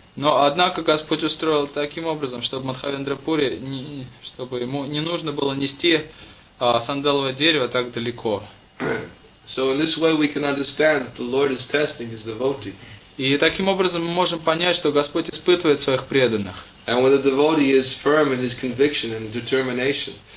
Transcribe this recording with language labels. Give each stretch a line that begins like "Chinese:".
Russian: Но однако Господь устроил таким образом, чтобы Мадхавендра Пури, чтобы ему не нужно было нести сандаловое дерево так далеко.
English: So in this way we can understand that the Lord is testing his devotee.
Russian: И таким образом мы можем понять, что Господь испытывает своих преданных.
English: And when the devotee is firm in his conviction and determination.